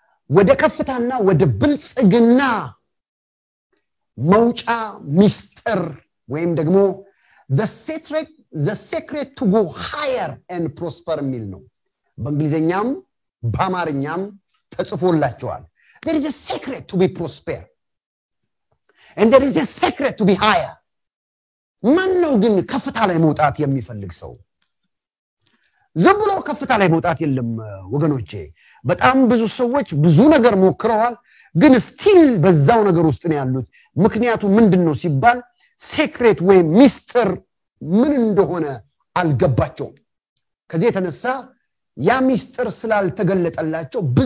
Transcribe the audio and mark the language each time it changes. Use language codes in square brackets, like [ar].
[am] ወደ ከፍታና ወደ ብልጽግና መውጫ ሚስጥር ወይም ደግሞ [en] the secret to go higher and prosper [am] የሚል ነው። በእንግሊዘኛም በአማርኛም ተጽፎላችኋል። [en] There is a secret to be prosper. And there is a secret to be higher. [am] ማን ነው ግን ከፍታ ላይ መውጣት የሚፈልግ ሰው? ዝም ብሎ ከፍታ ላይ መውጣት የለም ወገኖቼ። በጣም ብዙ ሰዎች ብዙ ነገር ሞክረዋል ግን ስቲል በዛው ነገር ውስጥ ነው ያሉት። ምክንያቱ ምንድነው ሲባል secret ወይ ሚስጥር ምን እንደሆነ አልገባቸውም። ከዚህ የተነሳ ያ ሚስጥር ስላልተገለጠላቸው